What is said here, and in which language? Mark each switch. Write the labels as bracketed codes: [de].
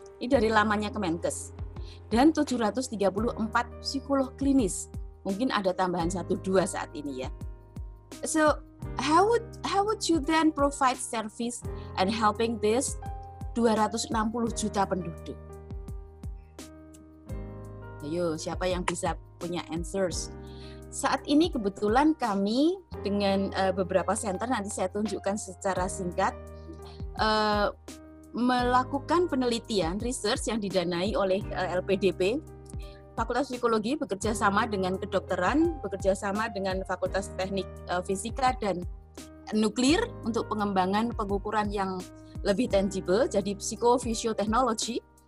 [id] Ini dari lamanya Kemenkes. Dan 734 psikolog klinis. Mungkin ada tambahan 1-2 saat ini ya. [en] So, how would you then provide service and helping this 260 [id] juta penduduk? Ayo, siapa yang bisa punya answers? Saat ini kebetulan kami dengan beberapa center, nanti saya tunjukkan secara singkat, melakukan penelitian research yang didanai oleh LPDP, Fakultas Psikologi bekerja sama dengan kedokteran, bekerja sama dengan Fakultas Teknik Fisika dan Nuklir untuk pengembangan pengukuran yang lebih tangible, jadi psikofisioteknologi